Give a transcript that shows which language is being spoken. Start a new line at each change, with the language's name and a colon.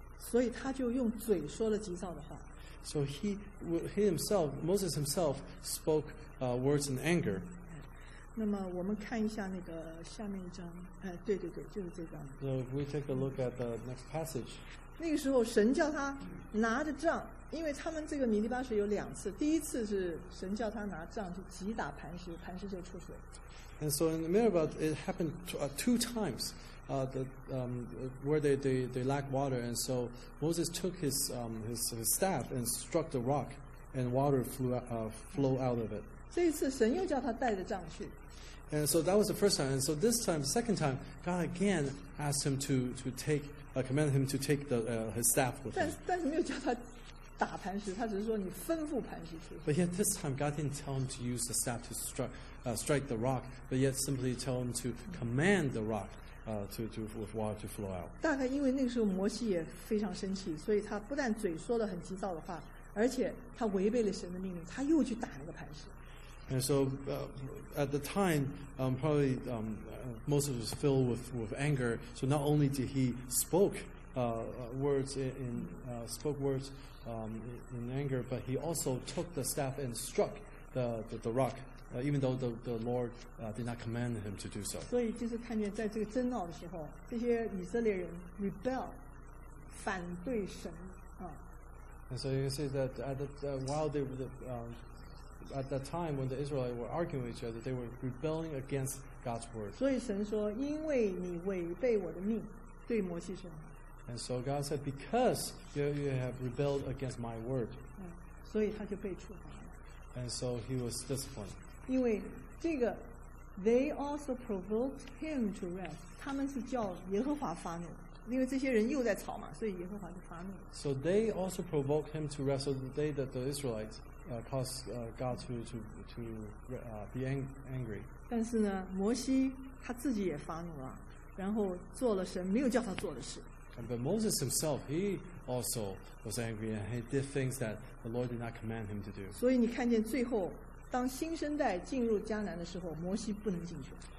Chinese: 所以他就用嘴说了急躁的话。
English: So Moses himself spoke words in anger.
Chinese: 那么我们看一下那个下面一章，对对对，就是这章。
English: So if we take a look at the next passage.
Chinese: 那个时候神叫他拿着杖。因为他们这个米利巴水有两次，第一次是神叫他拿杖去击打磐石，磐石就出水。
English: And so in Meribah, it happened two times, where they lack water, and so Moses took his staff and struck the rock, and water flow out of it.
Chinese: 这一次神又叫他带着杖去。
English: And so that was the first time. And so this time, the second time, God again asked him to take, commanded him to take his staff with him.
Chinese: 但是没有叫他。打磐石，他只是说你吩咐磐石出。
English: But yet this time God didn't tell him to use the staff to strike the rock, but yet simply tell him to command the rock, to with water to flow out.
Chinese: 大概因为那个时候摩西也非常生气，所以他不但嘴说了很急躁的话，而且他违背了神的命令，他又去打那个磐石。
English: And so, at the time, probably Moses was filled with anger. So not only did he spoke words. In anger, but he also took the staff and struck the rock, even though the Lord did not command him to do so.
Chinese: 所以就是看见在这个争闹的时候，这些以色列人 rebel, 反对神啊。
English: And so you can see that at the while they were at that time when the Israelites were arguing with each other, they were rebelling against God's word.
Chinese: 所以神说，因为你违背我的命，对摩西说。
English: And so God said, because you have rebelled against my word. And so he was disciplined.
Chinese: 因为这个,
English: they also provoked him to wrath.
Chinese: 他们是叫耶和华发怒, 因为这些人又在吵嘛，所以耶和华就发怒了。
English: So they also provoked him to wrestle the day that the Israelites caused God to be angry.
Chinese: 但是呢，摩西他自己也发怒了，然后做了神没有叫他做的事。
English: But Moses himself, he also was angry and he did things that the Lord did not command him to do.
Chinese: 所以你看见最后，当新生代进入迦南的时候，摩西不能进去。